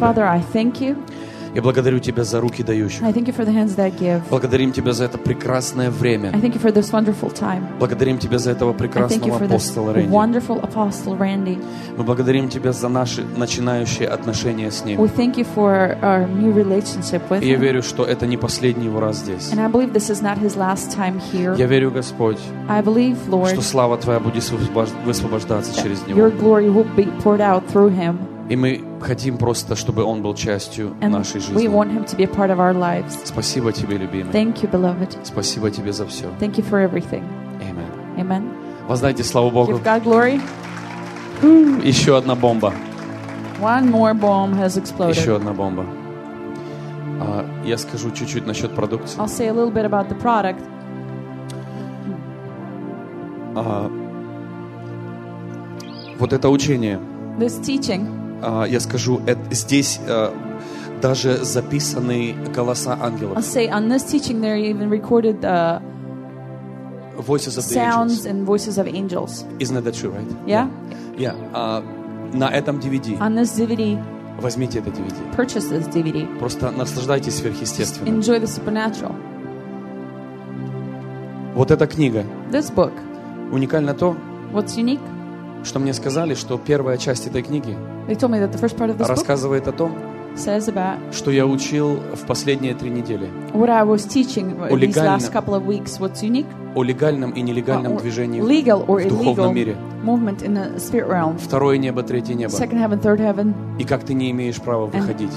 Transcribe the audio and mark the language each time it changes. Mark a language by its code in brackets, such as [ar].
[en] Father, I thank you. [ru] Я благодарю Тебя за руки дающих. Благодарим Тебя за это прекрасное время. Благодарим Тебя за этого прекрасного апостола Рэнди. Мы благодарим Тебя за наши начинающие отношения с ним. [en] We thank you for our new relationship with [ru] И я верю, что это не последний его раз здесь. [en] And I believe this is not his last time here. [ru] Я верю, Господь, [en] I believe, Lord, [ru] что слава Твоя будет высвобождаться через него. [en] Your glory will be poured out through him. [ru] И мы хотим просто, чтобы Он был частью нашей жизни. [en] We want Him to be a part of our lives. [ru] Спасибо Тебе, любимый. [en] Thank you, beloved. [ru] Спасибо Тебе за все. [en] Thank you for everything. Amen. Amen. [ru] Воздайте славу Богу. [en] Give God glory. [ru] Еще одна бомба. [en] One more bomb has exploded. [ru] Еще одна бомба. Я скажу чуть-чуть насчет продукции. [en] I'll say a little bit about the product. [ru] Вот это учение. [en] This teaching. [ru] Я скажу, здесь даже записаны голоса ангелов. [en] I'll say on this teaching there even recorded voices of sounds the angels. And voices of angels. Isn't that true, right? Yeah. Yeah. [ru] На этом DVD. [en] On this DVD. [ru] Возьмите это DVD. [en] Purchase this DVD. [ru] Просто наслаждайтесь сверхъестественным. [en] Just enjoy the supernatural. [ru] Вот эта книга. [en] This book. [ru] Уникально то. [en] What's unique? [ru] Что мне сказали, что первая часть этой книги рассказывает о том, что я учил в последние три недели. [en] What I was teaching these last couple of weeks, what's unique? [ru] О легальном и нелегальном движении [en] legal or [ru] в духовном мире. [en] Movement in the spirit realm. [ru] Второе небо, третье небо. [en] Second heaven, third heaven. [ru] И как ты не имеешь права выходить.